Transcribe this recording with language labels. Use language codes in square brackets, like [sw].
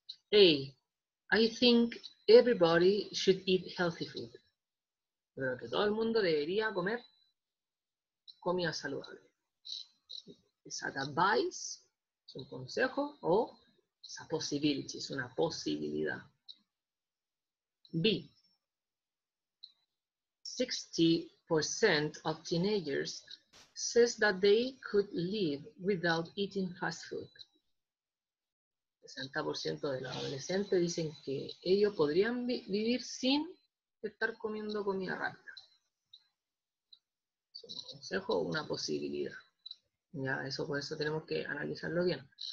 [en] Hey, I think everybody should eat healthy food. [es] Creo que todo el mundo debería comer comida saludable. [en] Is that advice? [es] Un consejo o es [en] a possibility, [es] es una posibilidad. B. [en] 60% of teenagers says that they could live without eating fast food. [es] 60% de los adolescentes dicen que ellos podrían vivir sin estar comiendo comida rápida. Un consejo o una posibilidad. Ya, eso por eso tenemos que analizarlo bien.